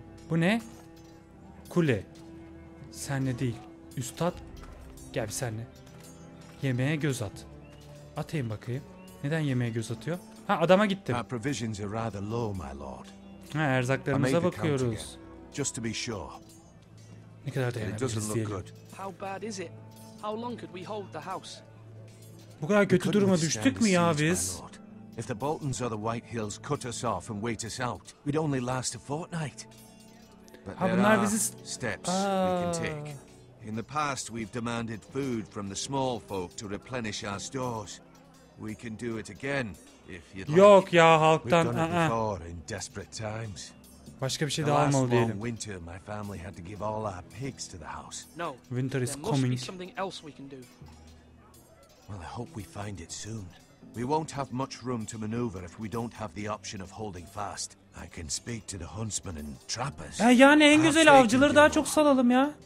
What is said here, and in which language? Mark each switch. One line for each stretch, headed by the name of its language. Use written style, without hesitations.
Turkish: Bu ne? Kule. Senle değil. Üstad. Gel bir senle. Yemeğe göz at. Atayım bakayım. Neden yemeğe göz atıyor? Ha adama gittim.
English: Our provisions are rather low, my lord.
Turkish: Ha erzaklarımıza bakıyoruz.
English: Just to be sure.
Turkish: Ne kadar dayanabiliriz diyelim.
English: How bad is it? How long could we hold the house?
Turkish: Bu kadar kötü duruma düştük mü ya biz?
English: If the Boltons or the White Hills cut us off and wait us out, we'd only last a fortnight.
Turkish: But ha, bunlar bizi
English: steps we can take. In the past we've demanded food from the small folk to replenish our stores. We can do it again if you'd like.
Turkish: Yok ya halktan.
English: We've done it before in desperate times.
Turkish: Başka bir şey daha almalı diyelim. Winter,
English: my family had to give all our pigs to the house. No. Winter is coming. There must be something else we can do. Well, I hope we find it soon. We won't have much room to maneuver if we don't have the option of holding fast. I can speak to the huntsmen and trappers.
Turkish: Ya yani en güzel avcıları daha çok salalım ya.